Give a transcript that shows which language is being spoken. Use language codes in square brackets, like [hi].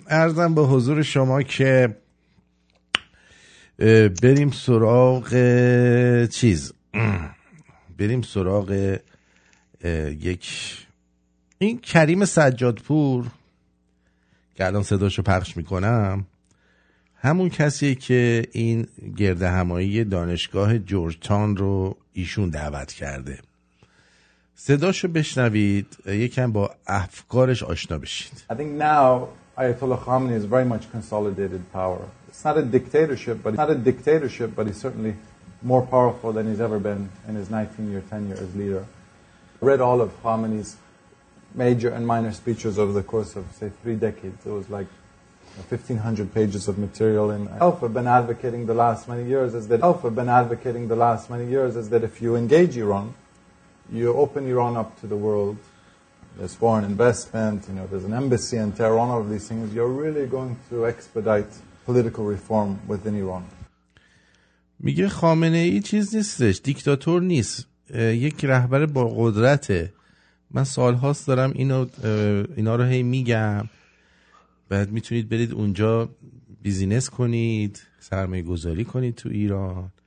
[fa] عرضم به حضور شما که بریم سراغ چیز، بریم سراغ یک این کریم سجادپور که الان صداشو پخش میکنم، همون کسیه که این گرده همایی دانشگاه جورج‌تاون رو ایشون دعوت کرده. صداشو بشنوید یکم با افکارش آشنا بشید. [en] I think now Ayatollah Khamenei is very much consolidated power. It's not a dictatorship but he's certainly more powerful than he's ever been in his 19-year tenure as leader. Read all of Khamenei's major and minor speeches over the course of, say, 3 decades. It was like 1,500 pages of material. And Alpha been advocating the last many years is that if you engage Iran, you open Iran up to the world. There's foreign investment. You know, there's an embassy in Tehran. All of these things, you're really going to expedite political reform within Iran. [fa] میگه خامنه‌ای چیز نیستش، دیکتاتور نیست، یک رهبر با قدرته. من سالهاست دارم اینا رو هی میگم، بعد میتونید برید اونجا بیزینس کنید، سرمایه گذاری کنید تو ایران.